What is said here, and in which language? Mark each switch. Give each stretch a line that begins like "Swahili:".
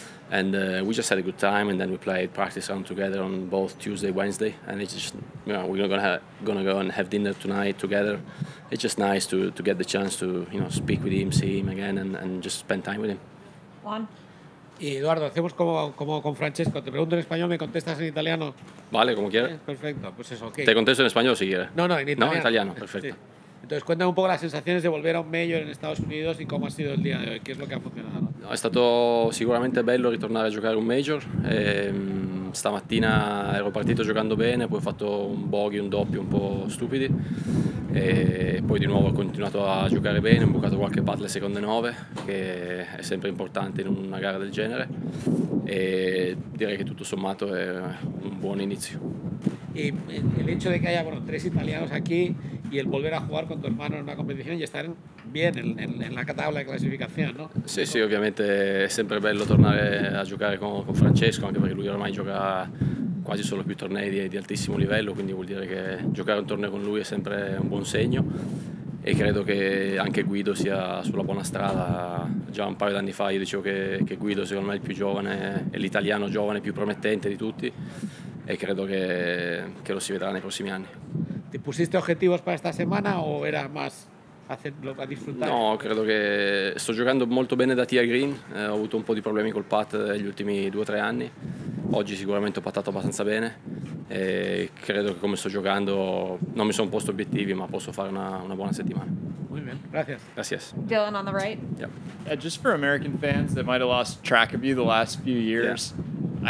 English: And we just had a good time, and then we played practice round together on both Tuesday, Wednesday. And it's just, you know, we're gonna go and have dinner tonight together. It's just nice to get the chance to, you know, speak with him, see him again, and just spend time with him.
Spanish: Juan. Y Eduardo, hacemos como con Francesco. Te pregunto en español, me contestas en italiano. Vale, como quieras. Perfecto, pues eso, ok. Te contesto en español si quieres. No, en italiano. No, en italiano, perfecto. Sí. Entonces, cuéntame un poco las sensaciones de volver a un major en Estados Unidos y cómo ha sido el día de hoy, qué es lo que ha funcionado.
Italian: È stato sicuramente bello ritornare a giocare un major. Stamattina ero partito giocando bene, poi ho fatto un bogey, un doppio un po' stupidi. E poi di nuovo ho continuato a giocare bene, ho bucato qualche putt le seconde 9, che è sempre importante in una gara del genere. E direi che tutto sommato è un buon inizio.
Spanish: Y el hecho de que haya, bueno, 3 italianos aquí y el volver a jugar con tu hermano en una competición y estar bien en la tabla de clasificación, ¿no? Sí, sí, obviamente es siempre
Italian: bello tornare a giocare con Francesco, anche perché lui ormai gioca quasi solo più tornei di altissimo livello, quindi vuol dire che giocare un torneo con lui è sempre un buon segno. E credo che anche Guido sia sulla buona strada. Già un paio d'anni fa io dicevo che Guido, secondo me, è il più giovane, è l'italiano giovane più promettente di tutti. E credo che lo si vedrà nei prossimi anni.
Spanish: Ti pusiste
Italian: obiettivi per questa settimana
Spanish: o era más hacerlo, a disfrutar?
Italian: No, credo che sto giocando molto bene da tee a green. Ho avuto un po' di problemi col putt negli ultimi 2-3 anni. Oggi sicuramente ho puttato abbastanza bene. E credo che come sto giocando non mi sono posto obiettivi, ma posso fare una buona settimana.
Spanish: Gracias.
English: Dylan on the right. Yeah. Yeah, just for American fans that might have lost track of you the last few years, yeah.